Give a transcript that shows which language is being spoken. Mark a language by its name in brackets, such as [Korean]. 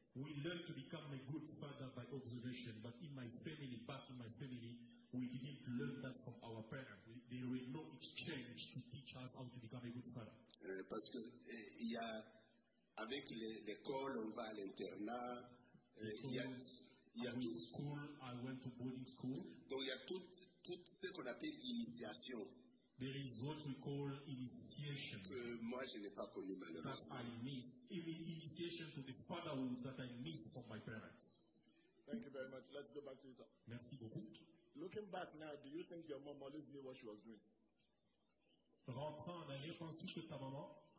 [English] We learn to become a good father by observation, but in my family, we didn't learn that from our parents. There was no exchange to teach us how to become a good father. [French] Parce que il y a avec l'école, on va à l'internat. [English] I went to boarding school. [French] Donc il y a tout ce qu'on appelle initiation. [English] There is what we call initiation. [French] Que moi je n'ai pas connu malheureusement. [English] That I missed. Initiation to the fatherhood that I missed from my parents. Thank you very much. Let's go back to yourself. [French] Merci beaucoup. [English] Looking back now, do you think your mom always knew what she was doing? [French] Rentrant en arrière, penses-tu que ta maman?